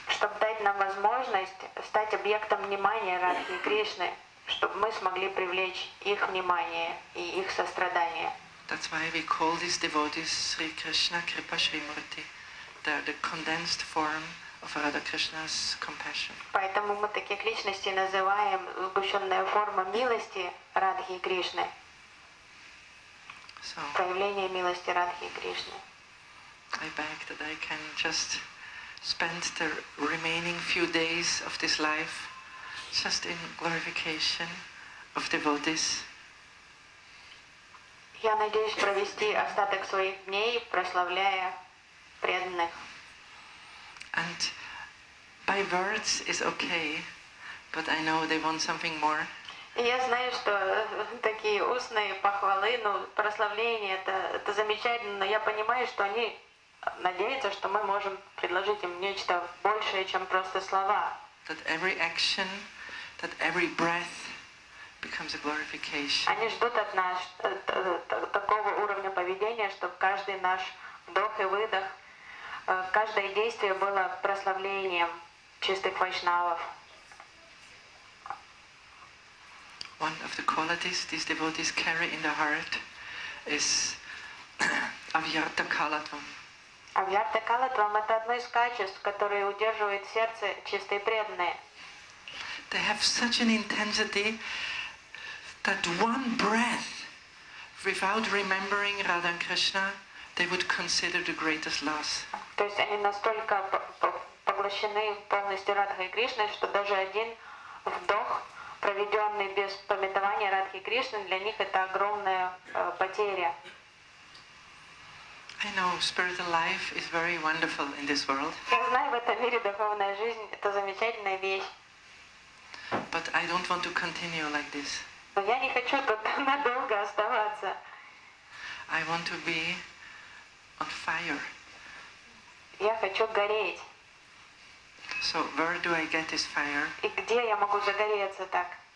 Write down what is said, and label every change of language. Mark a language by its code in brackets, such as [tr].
[ru] Чтобы дать нам возможность стать объектом внимания Радхи Кришны, чтобы мы смогли привлечь их внимание и их сострадание. [en] That's why we call these devotees Sri Krishna Kripa Shrimurti. They're the condensed form of Radha Krishna's compassion. [ru] Поэтому мы таких личностей называем сгущенная форма милости Радхи Кришны. [en] So, [ru] проявление милости Радхи Кришны. [en] I beg that I can just spend the remaining few days of this life just in glorification of devotees. [ru] Я надеюсь провести остаток своих дней, прославляя преданных. [en] And by words is okay, but I know they want something more. [ru] Я знаю, что такие устные похвалы, ну, прославление, это замечательно, но я понимаю, что они надеются, что мы можем предложить им нечто большее, чем просто слова. [en] That every action, that every breath, becomes a glorification. [ru] Они ждут от нас такого уровня поведения, чтобы каждый наш вдох и выдох, каждое действие было прославлением чистых вайшнавов. [en] One of the qualities these devotees carry in their heart is avyarta kalatvam. [ru] Avyarta kalatvam — это одно из качеств, которые удерживает сердце чистые преданные. [en] They have such an intensity that one breath, without remembering Radha and Krishna, they would consider the greatest loss. [ru] То есть они настолько поглощены полностью Радхой Кришной, что даже один вдох, проведенный без памятования Радхи Кришны, для них это огромная потеря. [en] I know spiritual life is very wonderful in this world. [ru] Я знаю, в этом мире духовная жизнь — это замечательная вещь. [en] But I don't want to continue like this. [ru] Но я не хочу тут надолго оставаться. [en] I want to be on fire. [ru] Я хочу гореть. [en] So where do I get this fire? [ru] И где я могу загореться так?